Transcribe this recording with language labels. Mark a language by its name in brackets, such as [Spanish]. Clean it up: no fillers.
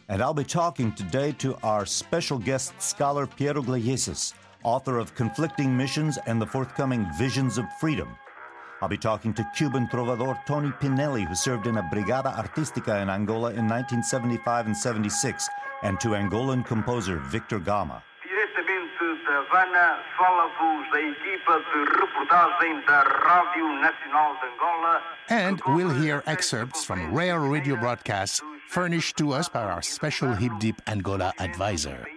[English] And I'll be talking today to our special guest scholar, Piero Gleyesis, author of Conflicting Missions and the forthcoming Visions of Freedom. I'll be talking to Cuban trovador Tony Pinelli, who served in a Brigada Artística in Angola in 1975 and 76, and to Angolan composer Victor Gama. [Portuguese] Diretamente de Havana, fala-vos a equipa de reportagem da Rádio Nacional de Angola. [English] And we'll hear excerpts from rare radio broadcasts furnished to us by our special Hip Deep Angola advisor,